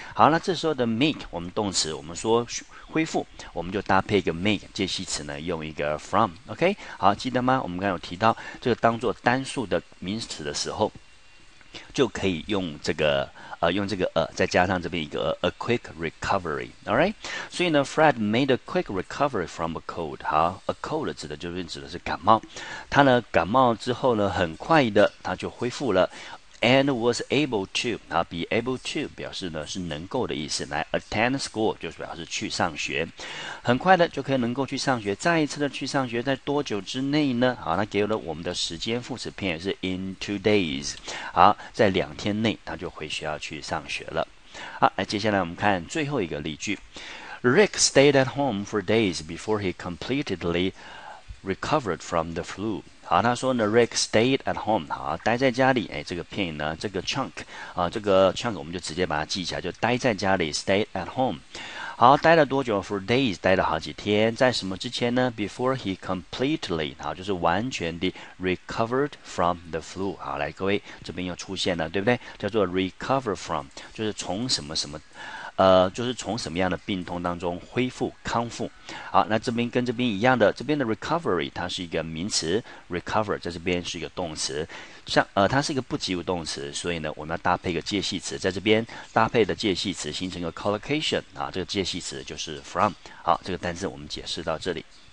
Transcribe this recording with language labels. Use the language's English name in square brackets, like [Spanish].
[Chinese] 好，那这时候的 make， 我们动词，我们说恢复，我们就搭配一个 make 介系词呢，用一个 from。 OK， 好，记得吗？我们刚刚有提到，这个当作单数的名词的时候，就可以用这个。再加上这边一个 [English] a quick recovery， all right， [Chinese] 所以呢 [English] ，Fred made a quick recovery from a cold。 [Chinese] 好 ，a cold 指的是感冒，他呢感冒之后呢，很快的他就恢复了 ， [English] and was able to， [Chinese] 啊 ， [English] be able to [Chinese] 表示呢是能够的意思，来 [English] attend school [Chinese] 就是表示去上学，很快的就可以能够去上学，再一次的去上学，在多久之内呢？好，他给了我们的时间副词片也是 [English] in 2 days。 [Chinese] 好，在两天内他就回学校去上学了。好，接下来我们看最后一个例句。 [English] Rick stayed at home for days before he completely recovered from the flu. [Chinese] 好，他说呢 ， [English] Rick stayed at home， [Chinese] 好，待在家里。哎，这个片语呢，这个 chunk 啊，这个 chunk 我们就直接把它记起来，就待在家里 ， [English] stayed at home。 [Chinese] 好，待了多久 ？ [English] For days， [Chinese] 待了好几天。在什么之前呢 ？ [English] Before he completely， [Chinese] 好，就是完全的 [English] recovered from the flu。 [Chinese] 好，来各位，这边又出现了，对不对？叫做 recover from， 就是从什么什么，就是从什么样的病痛当中恢复康复。好，那这边跟这边一样的，这边的 recovery 它是一个名词 ，recover 在这边是一个动词。像它是一个不及物动词，所以呢，我们要搭配一个介系词，在这边搭配的介系词形成一个 collocation 啊，这个介系词就是 from。好，这个单字我们解释到这里。